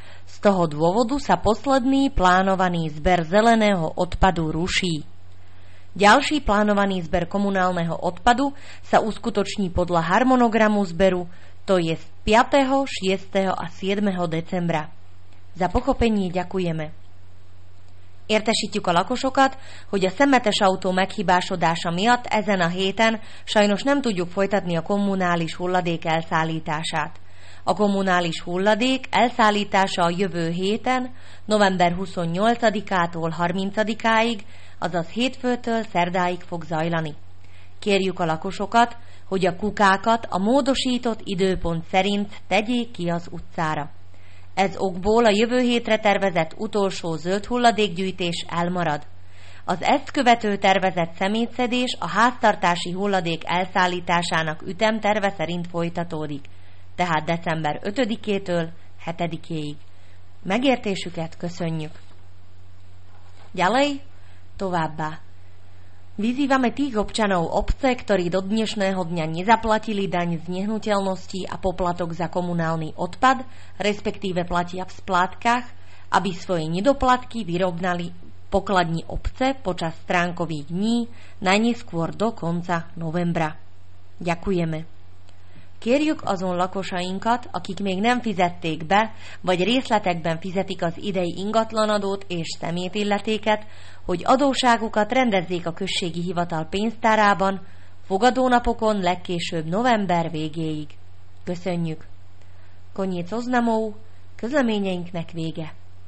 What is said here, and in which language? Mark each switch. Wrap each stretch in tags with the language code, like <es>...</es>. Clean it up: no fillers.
<sk>Z toho dôvodu sa posledný plánovaný zber zeleného odpadu ruší. Ďalší plánovaný zber komunálneho odpadu sa uskutoční podľa harmonogramu zberu, to je 5., 6. a 7. decembra. Za pochopenie ďakujeme.</sk> <hu>Értesítjük a lakosokat, hogy a szemetes autó meghibásodása miatt ezen a héten sajnos nem tudjuk folytatni a kommunális hulladék elszállítását. A kommunális hulladék elszállítása a jövő héten, november 28-ától 30-áig, azaz hétfőtől szerdáig fog zajlani. Kérjük a lakosokat, hogy a kukákat a módosított időpont szerint tegyék ki az utcára. Ez okból a jövő hétre tervezett utolsó zöld hulladékgyűjtés elmarad. Az ezt követő tervezett szemétszedés a háztartási hulladék elszállításának ütemterve szerint folytatódik. Tehát december 5-től 7-éig. Megértésüket köszönjük.</hu> <sk>Ďalej,</sk> <hu>továbbá.</hu> <sk>Vyzývame tých občanov obce, ktorí do dnešného dňa nezaplatili daň z nehnuteľnosti a poplatok za komunálny odpad, respektíve platia v splátkach, aby svoje nedoplatky vyrovnali pokladni obce počas stránkových dní, najneskôr do konca novembra. Ďakujeme.</sk> <hu>Kérjük azon lakosainkat, akik még nem fizették be, vagy részletekben fizetik az idei ingatlanadót és szemétilletéket, hogy adóságukat rendezzék a községi hivatal pénztárában, fogadónapokon legkésőbb november végéig. Köszönjük!</hu> <sk>Konnyit oznamou,</sk> <hu>közleményeinknek vége!</hu>